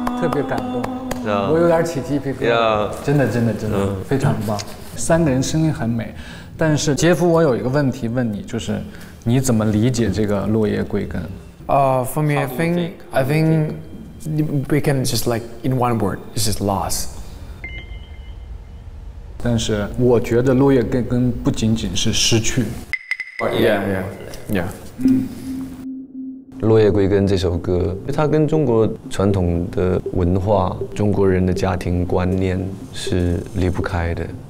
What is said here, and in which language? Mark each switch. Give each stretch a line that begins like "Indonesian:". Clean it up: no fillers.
Chinese: 特别感动，我有点起鸡皮疙瘩。真的，真的，真的，非常棒。三个人声音很美。但是杰夫，我有一个问题问你，就是你怎么理解这个落叶归根？
English: For me, I think we can just like in one word, it's just loss.
Chinese: 但是我觉得落叶归根不仅仅是失去。
English: Yeah.
Chinese: 落叶归根这首歌，它跟中国传统的文化、中国人的家庭观念是离不开的。